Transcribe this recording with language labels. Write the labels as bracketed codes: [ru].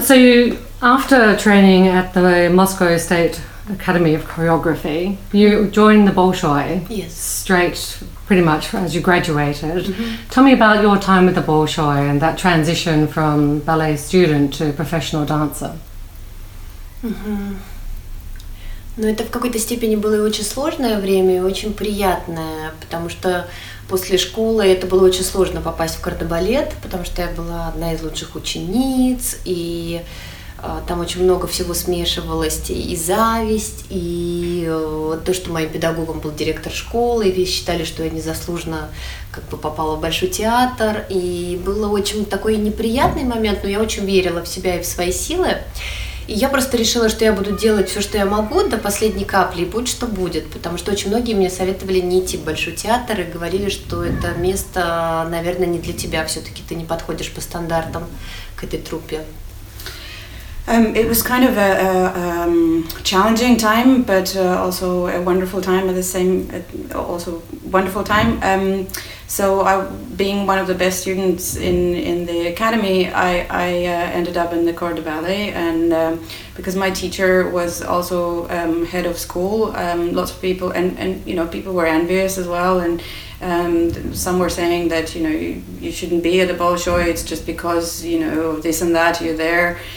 [en] So you, after training at the Moscow State Academy of Choreography, you joined the Bolshoi. Yes. Straight, pretty much as you graduated. Mm-hmm. Tell me about your time with the Bolshoi and that transition from ballet student to professional dancer. Mm-hmm. [ru] Но это в какой-то степени было и очень сложное время, и очень приятное, потому что после школы это было очень сложно попасть в кардебалет, потому что я была одна из лучших учениц, и там очень много всего смешивалось, и зависть, и то, что моим педагогом был директор школы, и все считали, что я незаслуженно как бы попала в большой театр, и было очень такой неприятный момент, но я очень верила в себя и в свои силы. И я просто решила, что я буду делать все, что я могу, до последней капли, и будь что будет. Потому что очень многие мне советовали не идти в Большой театр и говорили, что это место, наверное, не для тебя. Все-таки ты не подходишь по стандартам к этой труппе. [en] It was kind of a challenging time, but also a wonderful time at the same, also wonderful time. So I, being one of the best students in the academy, I ended up in the Corps de Ballet, and because my teacher was also head of school, lots of people, and you know, people were envious as well, and some were saying that, you know, you shouldn't be at the Bolshoi, it's just because, you know, this and that, you're there.